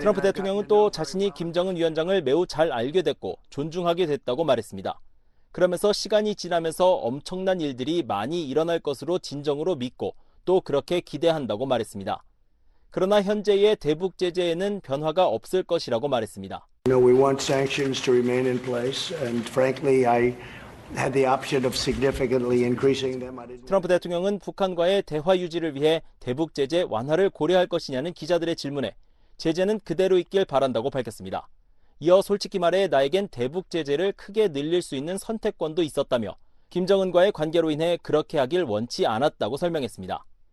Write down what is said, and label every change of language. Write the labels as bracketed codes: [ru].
[ko] 트럼프 대통령은 또 자신이 김정은 위원장을 매우 잘 알게 됐고 존중하게 됐다고 말했습니다. 그러면서 시간이 지나면서 엄청난 일들이 많이 일어날 것으로 진정으로 믿고 또 그렇게 기대한다고 말했습니다. 그러나 현재의 대북 제재에는 변화가 없을 것이라고 말했습니다. [en] No, we want sanctions to remain in place and frankly I had the option of significantly increasing them. [ko] 트럼프 대통령은 북한과의 대화 유지를 위해 대북 제재 완화를 고려할 것이냐는 기자들의 질문에 제재는 그대로 있길 바란다고 밝혔습니다. 이어 솔직히 말해 나에겐 대북 제재를 크게 늘릴 수 있는 선택권도 있었다며 김정은과의 관계로 인해 그렇게 하길 원치 않았다고 설명했습니다.